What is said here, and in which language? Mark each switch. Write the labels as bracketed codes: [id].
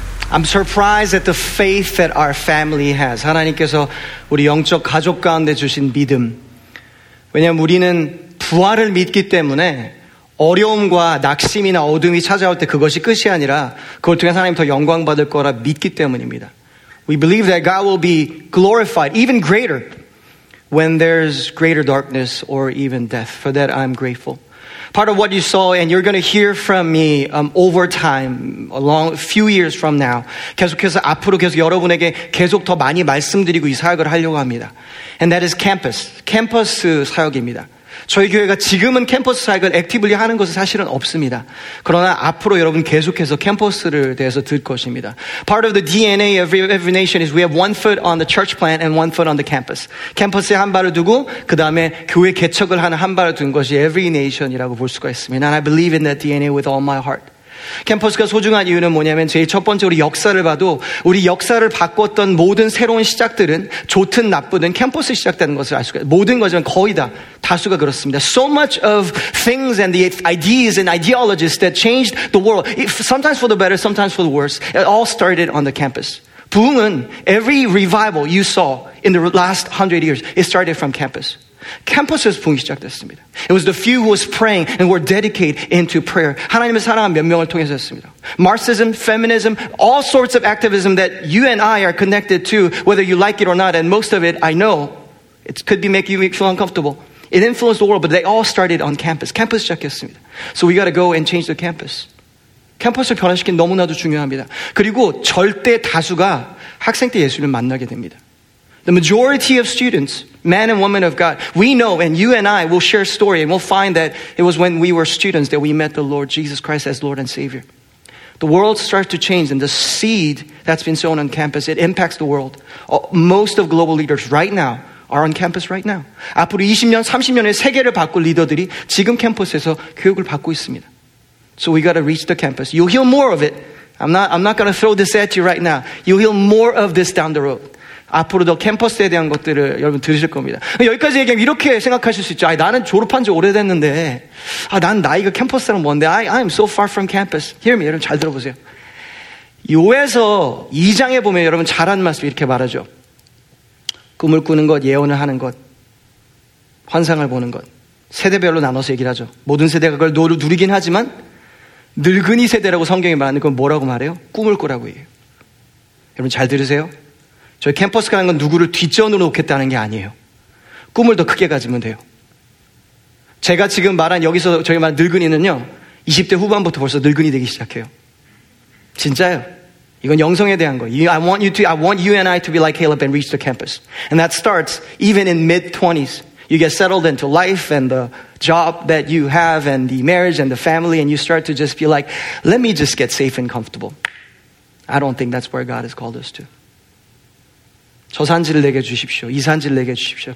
[en] I'm surprised at the faith that our family has. [ko] 하나님께서 우리 영적 가족 가운데 주신 믿음. 왜냐하면 우리는 부활을 믿기 때문에 어려움과 낙심이나 어둠이 찾아올 때 그것이 끝이 아니라 그걸 통해 하나님 더 영광 받을 거라 믿기 때문입니다. [en] We believe that God will be glorified even greater when there's greater darkness or even death. For that I'm grateful. Part of what you saw and you're going to hear from me over time, a long few years from now. [ko] 계속해서 앞으로 계속 여러분에게 계속 더 많이 말씀드리고 이 사역을 하려고 합니다. [en] And that is campus. [ko] 캠퍼스 사역입니다. 저희 교회가 지금은 캠퍼스 사역을 액티블리 하는 것은 사실은 없습니다. 그러나 앞으로 여러분 계속해서 캠퍼스를 대해서 들 것입니다. [en] Part of the DNA of every nation is we have one foot on the church plant and one foot on the campus. [ko] 캠퍼스에 한 발을 두고 그 다음에 교회 개척을 하는 한 발을 둔 것이 every nation이라고 볼 수가 있습니다. [en] And I believe in that DNA with all my heart. [ko] 캠퍼스가 소중한 이유는 뭐냐면 제일 첫 번째 우리 역사를 봐도 우리 역사를 바꿨던 모든 새로운 시작들은 좋든 나쁘든 캠퍼스 시작되는 것을 알 수가 있어요. 모든 것은 거의 다 다수가 그렇습니다. [en] So much of things and the ideas and ideologies that changed the world, sometimes for the better, sometimes for the worse, it all started on the campus. [ko] 부흥은 [en] every revival you saw in the last 100 years, it started from campus. [ko] 캠퍼스에서 부흥이 시작됐습니다. [en] It was the few who was praying and were dedicated into prayer. [ko] 하나님의 사랑은 몇 명을 통해서 했습니다. [en] Marxism, feminism, all sorts of activism that you and I are connected to, whether you like it or not, and most of it, I know, it could be making you feel uncomfortable. It influenced the world, but they all started on campus. [ko] 캠퍼스 시작했습니다. [en] So we got to go and change the campus. [ko] 캠퍼스를 변화시키는 너무나도 중요합니다. 그리고 절대 다수가 학생 때 예수님을 만나게 됩니다. [en] The majority of students, men and women of God, we know, and you and I will share a story, and we'll find that it was when we were students that we met the Lord Jesus Christ as Lord and Savior. The world starts to change, and the seed that's been sown on campus, it impacts the world. Most of global leaders right now are on campus right now. [ko] 앞으로 20년, 30년에 세계를 바꿀 리더들이 지금 캠퍼스에서 교육을 받고 있습니다. [en] So we got to reach the campus. You'll hear more of it. I'm not going to throw this at you right now. You'll hear more of this down the road. [ko] 앞으로도 캠퍼스에 대한 것들을 여러분 들으실 겁니다. 여기까지 얘기하면 이렇게 생각하실 수 있죠. 아, 나는 졸업한 지 오래됐는데 아, 난 나이가 캠퍼스랑 뭔데 [en] I'm so far from campus. Hear me, [ko] 여러분 잘 들어보세요. 요에서 2장에 보면 여러분 잘한 말씀 이렇게 말하죠. 꿈을 꾸는 것, 예언을 하는 것, 환상을 보는 것, 세대별로 나눠서 얘기를 하죠. 모든 세대가 그걸 누리긴 하지만 늙은이 세대라고 성경이 말하는 건 뭐라고 말해요? 꿈을 꾸라고 해요. 여러분 잘 들으세요. 저희 캠퍼스 가는 건 누구를 뒷전으로 놓겠다는 게 아니에요. 꿈을 더 크게 가지면 돼요. 제가 지금 말한 여기서 저희 말한 늙은이는요 20대 후반부터 벌써 늙은이 되기 시작해요. 진짜요. 이건 영성에 대한 거예요. [en] I want you and I to be like Caleb and reach the campus. And that starts even in mid-20s. You get settled into life and the job that you have and the marriage and the family and you start to just be like, let me just get safe and comfortable. I don't think that's where God has called us to. [ko] 저 산지를 내게 주십시오. 이 산지를 내게 주십시오.